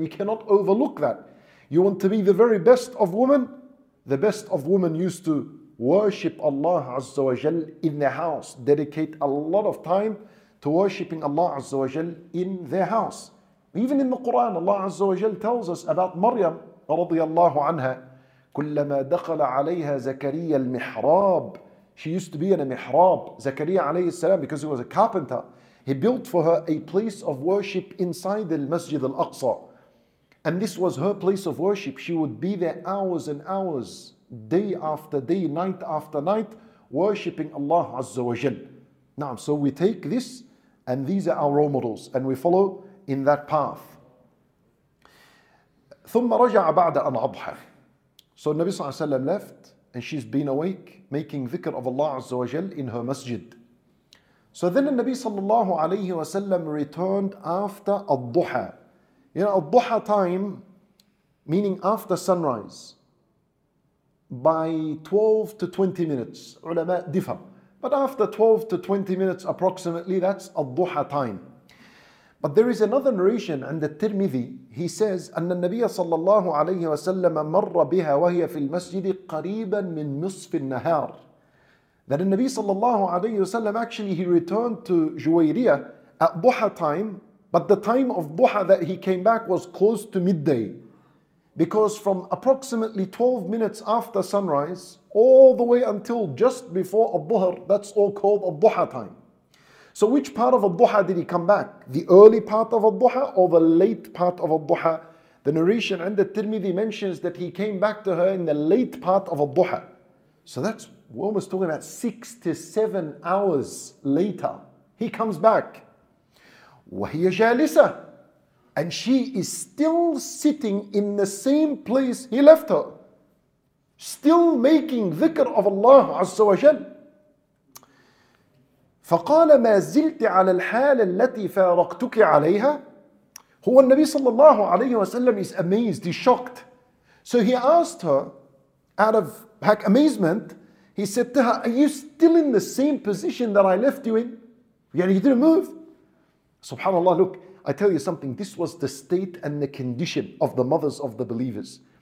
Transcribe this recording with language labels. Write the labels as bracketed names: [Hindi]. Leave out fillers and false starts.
[English] You cannot overlook that. You want to be the very best of women? The best of women used to worship Allah azza wa jal in their house, dedicate a lot of time to worshiping Allah azza wa jal in their house. Even in the Quran, Allah azza wa jal tells us about Maryam radiyallahu anha. [Arabic] كلما دخل عليها زكريا المحراب. [English] She used to be in a mihrab, Zakariya alayhi salam, because he was a carpenter. He built for her a place of worship inside the Masjid al-Aqsa. And this was her place of worship. She would be there hours and hours, day after day, night after night, worshipping Allah Azza wa Jal. Now, so we take this, and these are our role models, and we follow in that path. [Arabic] ثُمَّ رَجَعَ بَعْدَ أَنْ أَضْحَى. [English] So Nabi Sallallahu Alaihi Wasallam left, and she's been awake, making dhikr of Allah Azza wa Jal in her masjid. So then the Nabi Sallallahu Alaihi Wasallam returned after al-duha. You know, al-duha time, meaning after sunrise, by 12 to 20 minutes, ulama differ. But after 12 to 20 minutes approximately, that's al-duha time. But there is another narration [Arabic] عند الترمذي. [English] He says [Arabic] أن النبي صلى الله عليه وسلم مر بها وهي في المسجد قريبا من نصف النهار. [English] That the Nabi صلى الله عليه وسلم actually he returned to Juwayriyah at Duha time, but the time of Duha that he came back was close to midday, because from approximately 12 minutes after sunrise all the way until just before al-Dhuhr, that's all called al-Duha time. So which part of al-Duha did he come back? The early part of al-Duha or the late part of al-Duha? The narration and the Tirmidhi mentions that he came back to her in the late part of al-Duha. So that's, we're almost talking about 6 to 7 hours later. He comes back. [Arabic] وَهِيَ جَالِسَةً. [English] And she is still sitting in the same place he left her, still making dhikr of Allah Azza wa Jal. [Arabic] فقال ما زلت على الحال التي فارقتك عليها. هو [English] النبي صلى الله عليه وسلم is amazed, he's shocked. So he asked her out of amazement, he said to her, are you still in the same position that I left you in? Yani you didn't move. Subhanallah, look, I tell you something, this was the state and the condition of the mothers of the believers.